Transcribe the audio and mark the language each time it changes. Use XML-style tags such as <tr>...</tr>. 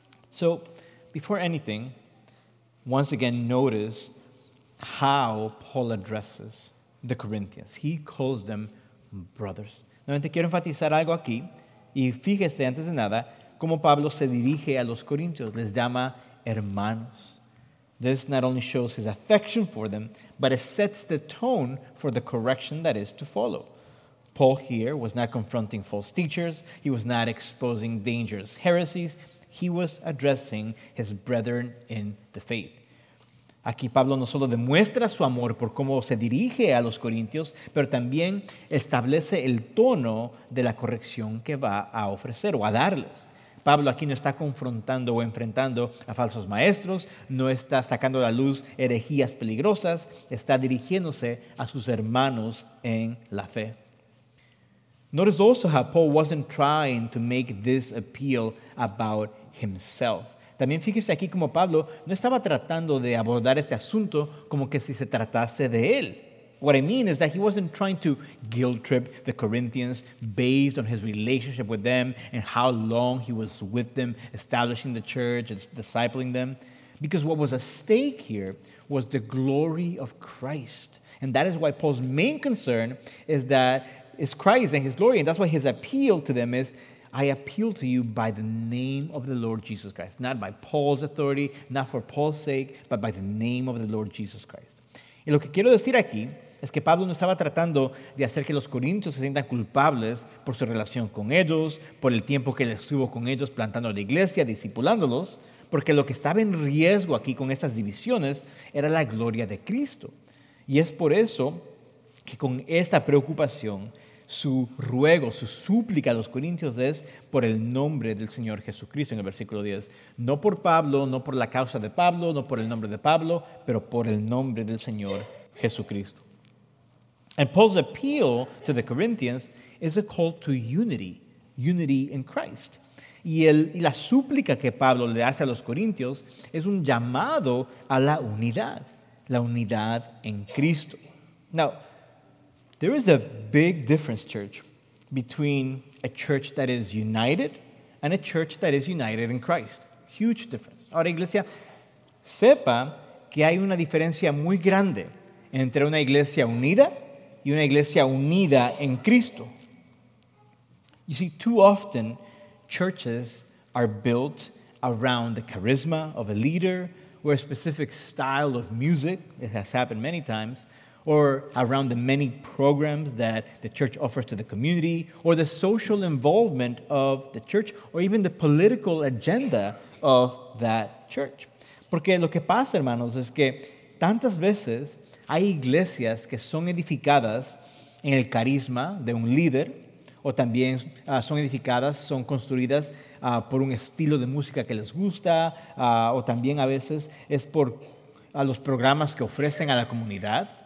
<en>So, before anything, once again notice how Paul addresses the Corinthians. He calls them brothers.</en> <es>Nuevamente quiero enfatizar algo aquí, y fíjese antes de nada cómo Pablo se dirige a los corintios, les llama hermanos.</es> <en>This not only shows his affection for them, but it sets the tone for the correction that is to follow. Paul here was not confronting false teachers. He was not exposing dangerous heresies. He was addressing his brethren in the faith.</en> <es>Aquí Pablo no solo demuestra su amor por cómo se dirige a los corintios, pero también establece el tono de la corrección que va a ofrecer o a darles. Pablo aquí no está confrontando o enfrentando a falsos maestros, no está sacando a la luz herejías peligrosas, está dirigiéndose a sus hermanos en la fe.</es> <en>Notice also how Paul wasn't trying to make this appeal about himself.</en> <es>También fíjese aquí como Pablo no estaba tratando de abordar este asunto como que si se tratase de él.</es> <en>What I mean is that he wasn't trying to guilt trip the Corinthians based on his relationship with them and how long he was with them, establishing the church and discipling them. Because what was at stake here was the glory of Christ. And that is why Paul's main concern is Christ and his glory. And that's why his appeal to them is, I appeal to you by the name of the Lord Jesus Christ. Not by Paul's authority, not for Paul's sake, but by the name of the Lord Jesus Christ.</en> <es>Y lo que quiero decir aquí es que Pablo no estaba tratando de hacer que los corintios se sientan culpables por su relación con ellos, por el tiempo que él estuvo con ellos plantando la iglesia, discipulándolos, porque lo que estaba en riesgo aquí con estas divisiones era la gloria de Cristo. Y es por eso que con esa preocupación, su ruego, su súplica a los corintios es por el nombre del Señor Jesucristo en el versículo 10. No por Pablo, no por la causa de Pablo, no por el nombre de Pablo, pero por el nombre del Señor Jesucristo.</es> <en>And Paul's appeal to the Corinthians is a call to unity, unity in Christ.</en> <es>Y la súplica que Pablo le hace a los corintios es un llamado a la unidad en Cristo.</es> <en>Now, there is a big difference, church, between a church that is united and a church that is united in Christ. Huge difference.</en> <es>Ahora, iglesia, sepa que hay una diferencia muy grande entre una iglesia unida y una iglesia unida en Cristo.</es> <en>You see, too often, churches are built around the charisma of a leader or a specific style of music. It has happened many times. Or around the many programs that the church offers to the community, or the social involvement of the church, or even the political agenda of that church.</en> <es>Porque lo que pasa, hermanos, es que tantas veces hay iglesias que son edificadas en el carisma de un líder, o también son edificadas, son construidas por un estilo de música que les gusta, o también a veces es por los programas que ofrecen a la comunidad.</es>